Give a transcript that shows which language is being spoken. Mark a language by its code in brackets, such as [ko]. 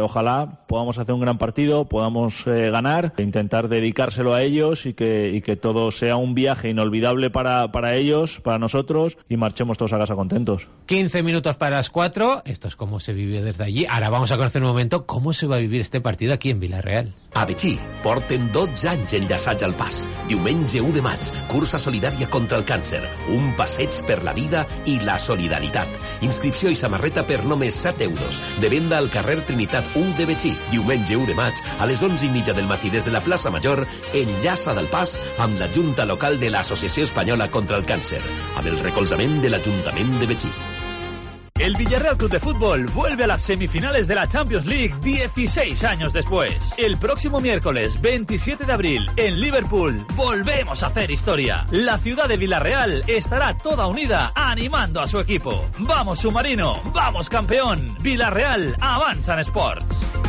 [es] Ojalá podamos hacer un gran partido, podamos ganar, e intentar dedicárselo a ellos y que todo sea un viaje inolvidable para ellos, para nosotros, y marchemos todos a casa contentos. 15 minutos para las 4, esto es cómo se vive desde allí. Ahora vamos a conocer un momento cómo se va a vivir este partido aquí en Villarreal. [ca] A Betxí, porten 12 anys en l'assaig al pas. Diumenge 1 de maig, cursa solidària contra el càncer, un passeig per la vida i la solidaritat. Inscripció i samarreta per només 7 euros, de venda al carrer Trinitat 1 de Betxí. Diumenge 1 de maig, a les 11:30 del matí des de la plaça Major, enllaça del pas amb la Junta Local de l'Associació Espanyola contra el Càncer, amb el recolzament de l'Ajuntament de Betxí. [es] El Villarreal Club de Fútbol vuelve a las semifinales de la Champions League 16 años después. El próximo miércoles 27 de abril en Liverpool volvemos a hacer historia. La ciudad de Villarreal estará toda unida animando a su equipo. ¡Vamos, submarino! ¡Vamos, campeón! Villarreal avanza en Sports.